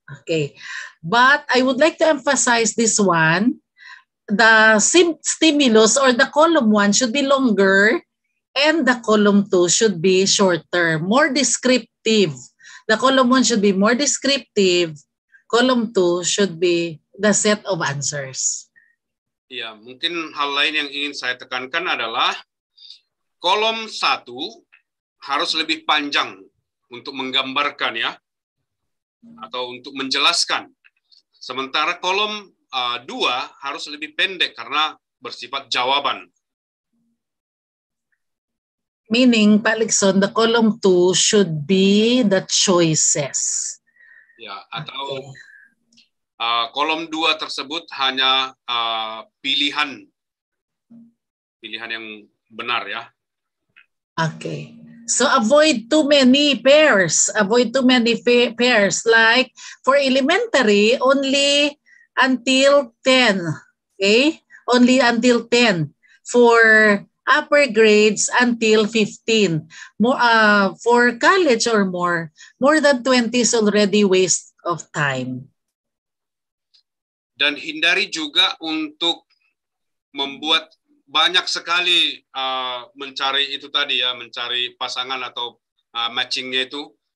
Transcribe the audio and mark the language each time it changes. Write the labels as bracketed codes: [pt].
[en] Okay, but I would like to emphasize this one: the stimulus or the column one should be longer. And the column two should be shorter, more descriptive. The column one should be more descriptive. Column two should be the set of answers. [id] Ya, mungkin hal lain yang ingin saya tekankan adalah kolom 1 harus lebih panjang untuk menggambarkan ya, atau untuk menjelaskan. Sementara kolom 2 harus lebih pendek karena bersifat jawaban. [en] Meaning, Pak Lixon, the column 2 should be the choices. [id] Ya, atau kolom 2 tersebut hanya pilihan. Pilihan yang benar ya. [en] Okay. So avoid too many pairs. Avoid too many pairs. Like for elementary, only until 10. Okay? Only until 10. For upper grades until 15. For college or more than 20 is already waste of time. [id] Dan hindari juga untuk membuat banyak sekali mencari itu tadi ya, mencari pasangan atau matchingnya itu.